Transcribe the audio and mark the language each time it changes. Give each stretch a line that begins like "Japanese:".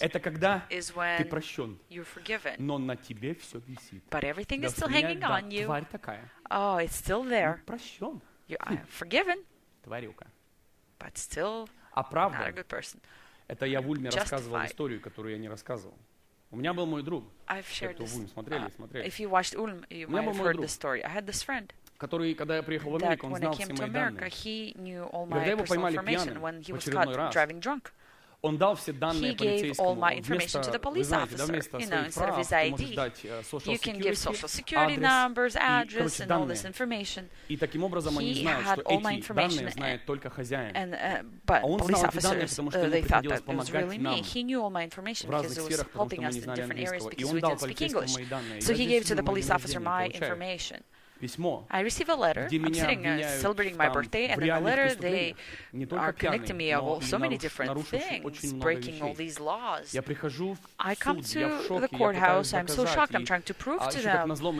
Russian: это когда ты прощен, но на тебе все висит.
English: But everything is still hanging on you.
Russian: Тварь такая.
English: Oh, it's still there.
Russian: Прощен.
English: You're forgiven.
Russian: Тварюка.
English: But still not a good person.
Russian: Это я в Ульме рассказывал историю, которую я не рассказывал. У меня был мой друг.
English: If you watched Ulm, you might have heard the story. I had this friend.
Russian: Который, когда я приехал в Америку, он знал все мои данные. Когда его поймали пьяным в очередной раз,
English: drunk,
Russian: он дал все данные полицейскому. Вместо своих прав, ты можешь дать social security, адрес, address, и, короче, данные. И таким образом они знают, что эти данные знает только хозяин. А он знал эти данные, потому что ему приходилось помогать нам в разных сферах, потому что мы не знали английского. И он дал полицейскому мои данные.
English: So he gave to the police officer my information. I receive a letter. I'm sitting celebrating my birthday, and in the letter they are connecting me of so many different things, breaking all these laws. I come to the courthouse. I'm so shocked. I'm trying to prove to them.